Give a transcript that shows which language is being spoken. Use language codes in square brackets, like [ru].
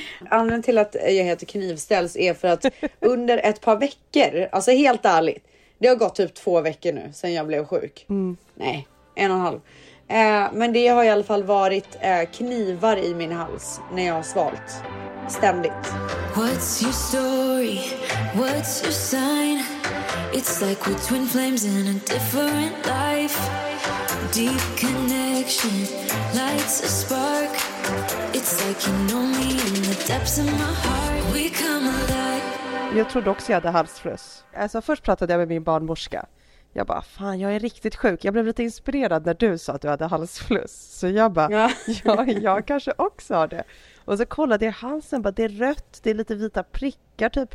[sv] Anledningen till att jag heter knivställs är för att under ett par veckor, alltså helt ärligt, det har gått typ 2 veckor nu sedan jag blev sjuk. Nej, 1,5. Men det har i alla fall varit knivar i min hals när jag har svalt. Ständigt. [en] What's your story? What's your sign? It's like we're twin flames in a different life. Deep connection, lights a spark. It's like you know me in the depths of my heart. We come alive. [sv] Jag trodde också jag hade halsfluss. Alltså först pratade jag med min barnmorska. Jag bara, fan, jag är riktigt sjuk. Jag blev lite inspirerad när du sa att du hade halsfluss. Så jag bara, jag kanske också har det. Och så kollade jag halsen, bara, det är rött, det är lite vita prickar typ.